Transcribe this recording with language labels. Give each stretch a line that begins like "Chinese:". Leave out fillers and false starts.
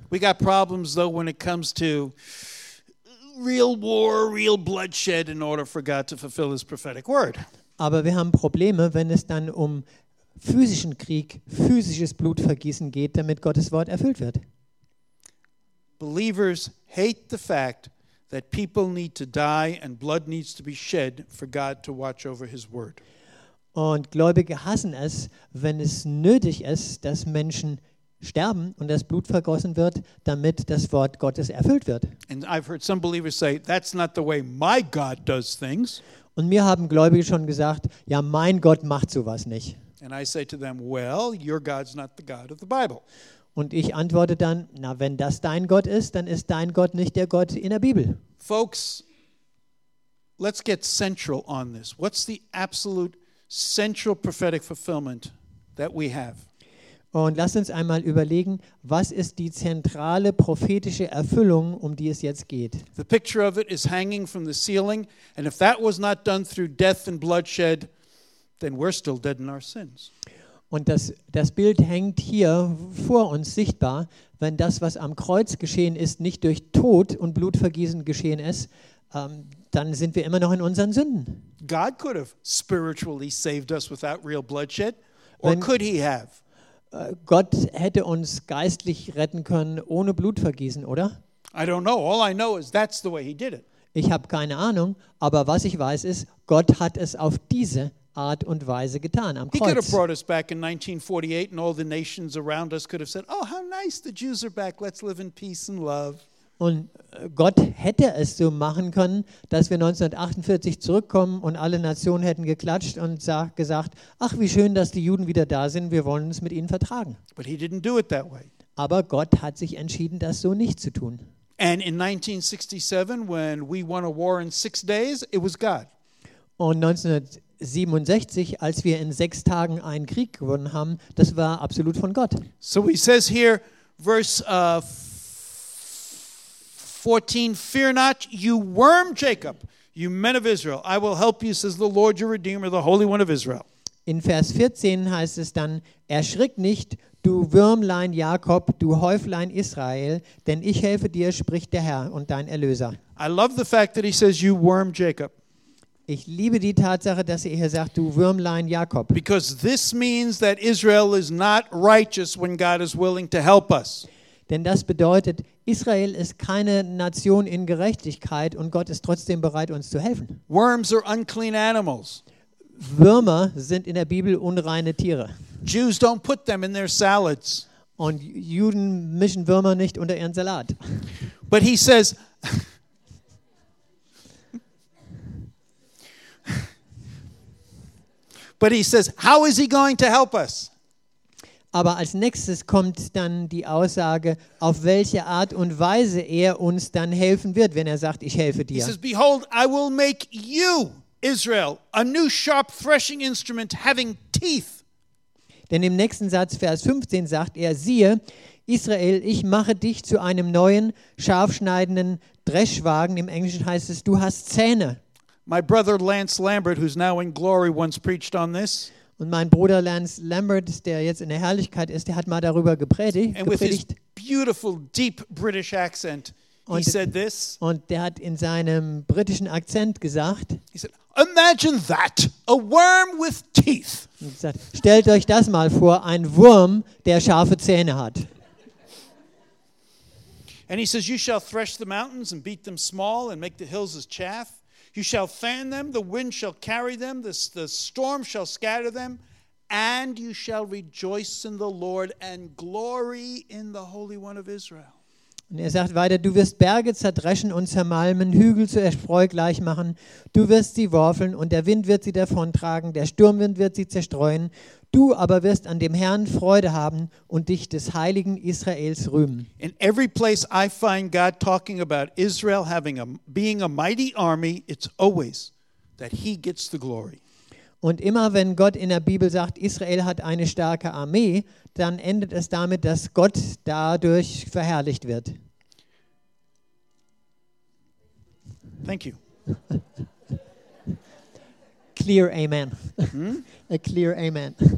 English: We got problems though when it comes to real war, real bloodshed in order for God to fulfill his prophetic word.
German: Aber wir haben Probleme, wenn es dann um physischen Krieg, physisches Blutvergießen geht, damit Gottes Wort erfüllt wird.
English: Believers hate the fact that people need to die and blood needs to be shed for God to watch over his word.
German: Und Gläubige hassen es, wenn es nötig ist, dass Menschen sterben und das Blut vergossen wird, damit das Wort Gottes erfüllt wird.
English: And I've heard some believers say, that's not the way my God does things.
German: Und mir haben Gläubige schon gesagt, ja, mein Gott macht sowas nicht.
English: And I say to them, well, your God's not the God of the Bible.
German: Und ich antworte dann, na, wenn das dein Gott ist, dann ist dein Gott nicht der Gott in der Bibel.
English: Folks, let's get central on this. What's the absolute central prophetic fulfillment that we have?
German: Und lasst uns einmal überlegen, was ist die zentrale prophetische Erfüllung, um die es jetzt geht?
English: The picture of it is hanging from the ceiling, and if that was not done through death and bloodshed, then we're still dead in our sins.
German: Und das Bild hängt hier vor uns sichtbar. Wenn das, was am Kreuz geschehen ist, nicht durch Tod und Blutvergießen geschehen ist, dann sind wir immer noch in unseren Sünden.
English: God could have spiritually saved us without real bloodshed, or wenn, could he have?
German: Gott hätte uns geistlich retten können ohne Blutvergießen, oder?
English: I don't know. All I know is that's the way he did it.
German: Ich habe keine Ahnung, aber was ich weiß ist, Gott hat es auf diese Art und Weise getan, am Kreuz.
English: He could have brought us back in 1948 and all the nations around us could have said, oh, how nice, the Jews are back, let's live in peace and love.
German: Und Gott hätte es so machen können, dass wir 1948 zurückkommen und alle Nationen hätten geklatscht und gesagt, ach, wie schön, dass die Juden wieder da sind, wir wollen uns mit ihnen vertragen.
English: But he didn't do it that way.
German: Aber Gott hat sich entschieden, das so nicht zu tun.
English: And in 1967, when we won a war in 6 days, it was God.
German: Und 1967, als wir in 6 Tagen einen Krieg gewonnen haben, das war absolut von Gott.
English: So he says here, verse 14, fear not, you worm Jacob, you men of Israel. I will help you, says the Lord your Redeemer, the Holy One of Israel.
German: In Vers 14 heißt es dann, erschrick nicht, du Würmlein Jakob, du Häuflein Israel, denn ich helfe dir, spricht der Herr und dein Erlöser.
English: I love the fact that he says, you worm Jacob.
German: Ich liebe die Tatsache, dass er hier sagt, du Würmlein Jakob.
English: Because this means that Israel is not righteous when God is willing to help us.
German: Denn das bedeutet, Israel ist keine Nation in Gerechtigkeit und Gott ist trotzdem bereit, uns zu helfen.
English: Worms are unclean animals.
German: Würmer sind in der Bibel unreine Tiere.
English: Jews don't put them in their salads.
German: Und Juden mischen Würmer nicht unter ihren Salat.
English: But he says, but he says, how is he going to help us?
German: Aber als nächstes kommt dann die Aussage, auf welche Art und Weise er uns dann helfen wird, wenn er sagt, ich helfe dir.
English: He says, behold, I will make you, Israel, a new sharp threshing instrument having teeth.
German: Denn im nächsten Satz, Vers 15, sagt er, siehe, Israel, ich mache dich zu einem neuen, scharfschneidenden Dreschwagen. Im Englischen heißt es, du hast Zähne.
English: My brother Lance Lambert, who's now in glory, once preached on this.
German: Und mein Bruder Lance Lambert, der jetzt in der Herrlichkeit ist, der hat mal darüber gepredigt.
English: And with his beautiful, deep British accent, he said this.
German: Und der hat in seinem britischen Akzent gesagt,
English: he said, imagine that, a worm with teeth.
German: Und gesagt, stellt euch das mal vor, ein Wurm, der scharfe Zähne hat.
English: And he says, you shall thresh the mountains and beat them small and make the hills as chaff. You shall fan them, the wind shall carry them, the storm shall scatter them, and you shall rejoice in the Lord and glory in the Holy One of Israel.
German: Und er sagt weiter, du wirst Berge zerdreschen und zermalmen, Hügel zu Erfreu gleich machen, du wirst sie worfeln und der Wind wird sie davontragen, der Sturmwind wird sie zerstreuen, du aber wirst an dem Herrn Freude haben und dich des Heiligen Israels rühmen.
English: In every place I find God talking about Israel having being a mighty army, it's always that he gets the glory.
German: Und immer wenn Gott in der Bibel sagt, Israel hat eine starke Armee, dann endet es damit, dass Gott dadurch verherrlicht wird.
English: Thank you. Clear amen. A clear amen.